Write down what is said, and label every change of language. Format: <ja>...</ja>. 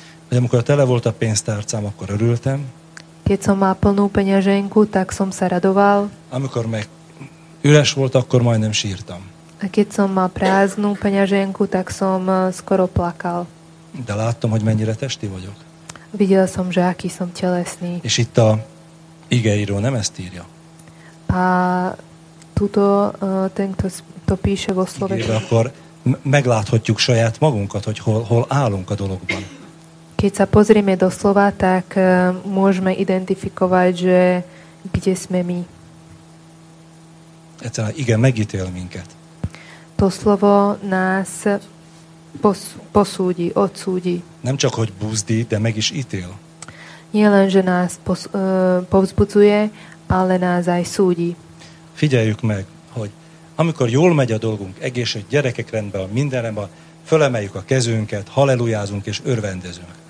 <hu>Vagy amikor tele volt a pénztárcám, akkor örültem.</hu> <sk>Keď som mal plnú peňaženku, tak som sa radoval.</sk> <hu>Amikor meg üres volt, akkor majdnem sírtam.</hu> <sk>A keď som mal prázdnu peňaženku, tak som skoro plakal.</sk> <hu>De láttam, hogy mennyire testi vagyok.</hu> <sk>Videl som, že aký som telesný.</sk> <hu>És itt a igeíró nem ezt írja.</hu> <sk>A tuto tento to píše vo slove.</sk> <hu>Igen, akkor megláthatjuk saját magunkat, hogy hol állunk a dologban.</hu> <sk>Keď sa pozrieme do slova, tak môžeme identifikovať, že kde sme my.</sk> <hu>Egyszerűen igen, megítél minket.</hu> <sk>To slovo nás posúdi, odsúdi.</sk> <hu>Nem csak, hogy búzdí, de meg is ítél.</hu> <sk>Nielen, že nás povzbudzuje, ale nás aj súdi.</sk> <hu>Figyeljük meg, hogy amikor jól megy a dolgunk, egészség, gyerekek rendben, mindenemben, fölemeljük a kezünket, hallelujázunk és örvendezünk.</hu>